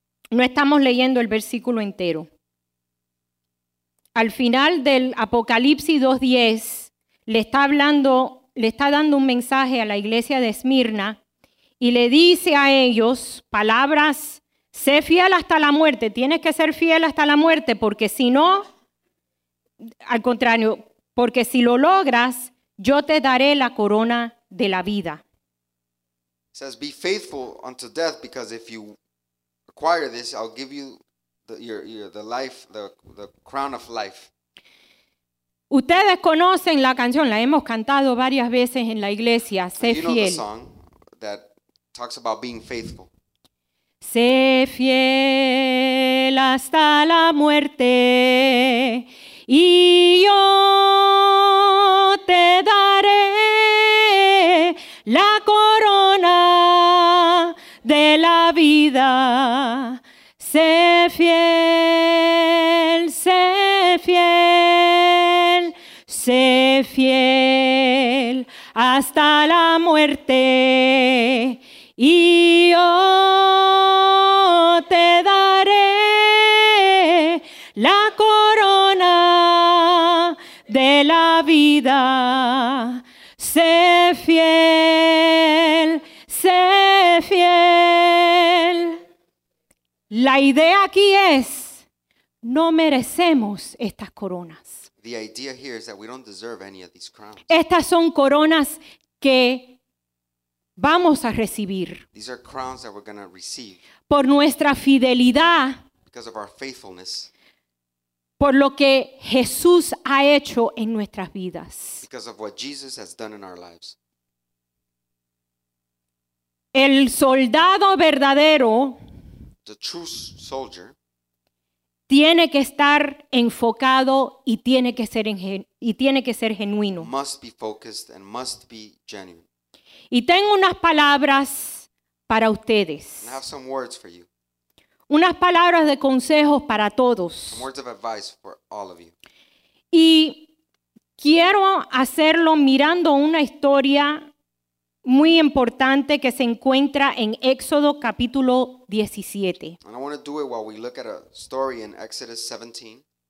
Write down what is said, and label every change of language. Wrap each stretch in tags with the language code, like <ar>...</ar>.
<es>No estamos leyendo el versículo entero. al final del Apocalipsis 2:10 le está hablando, le está dando un mensaje a la iglesia de Esmirna y le dice a ellos palabras: sé fiel hasta la muerte, tienes que ser fiel hasta la muerte, porque si no, al contrario, porque si lo logras, yo te daré la corona de la vida.</es> <en>It says, be faithful unto death, because if you acquire this, I'll give you the crown of life.</en> <es>Ustedes conocen la canción, la hemos cantado varias veces en la iglesia, sé fiel.</es> <en>You know the song that talks about being faithful.</en> <es>Sé fiel hasta la muerte y yo te daré la corona de la vida. Sé fiel, sé fiel, sé fiel hasta la muerte y yo te daré la corona de la vida. Sé fiel, sé fiel. La idea aquí es, no merecemos estas coronas.</es> <en>The idea here is that we don't deserve any of these crowns.</en> <es>Estas son coronas que vamos a recibir.</es> <en>These are crowns that we're going to receive.</en> <es>Por nuestra fidelidad.</es> <en>Because of our faithfulness.</en> <es>Por lo que Jesús ha hecho en nuestras vidas.</es> <en>Because of what Jesus has done in our lives.</en> <es>El soldado verdadero.</es> <en>The true soldier.</en> <es>Tiene que estar enfocado y tiene que ser genuino.</es> <en>Must be focused and must be genuine.</en> <es>Y tengo unas palabras para ustedes.</es> <en>And I have some words for you.</en> <es>Unas palabras de consejos para todos.</es> <en>Some words of advice for all of you.</en> <es>Y quiero hacerlo mirando una historia muy importante que se encuentra en Éxodo capítulo 17.</es> <en>And I want to do it while we look at a story in Exodus 17.</en>